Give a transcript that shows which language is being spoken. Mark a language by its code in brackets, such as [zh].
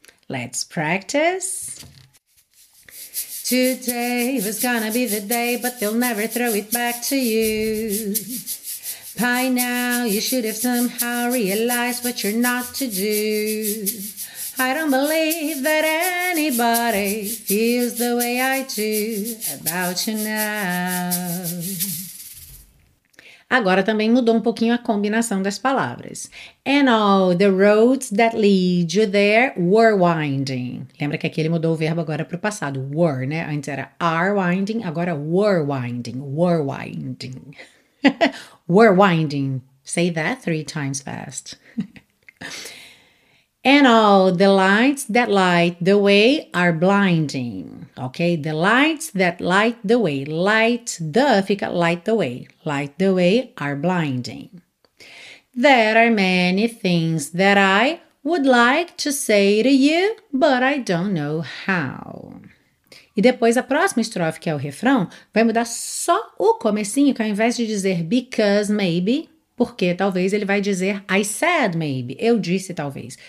[en] Let's practice. Today was gonna be the day, but they'll never throw it back to you. By now, you should have somehow realized what you're not to do. I don't believe that anybody feels the way I do about you now. [pt] Agora também mudou um pouquinho a combinação das palavras. [en] And all the roads that lead you there were winding. [pt] Lembra que aqui ele mudou o verbo agora para o passado. Were, né? Antes era [en] are winding, [pt] agora [en] were winding. Were winding. Were winding. Say that 3 times fast. And all the lights that light the way are blinding. Okay, the lights that light the way. Light the, fica light the way. Light the way are blinding. There are many things that I would like to say to you, but I don't know how. [pt] E depois a próxima estrofe, que é o refrão, vai mudar só o comecinho, que ao invés de dizer [en] because maybe, [pt] porque talvez, ele vai dizer [en] I said maybe, [pt] eu disse talvez.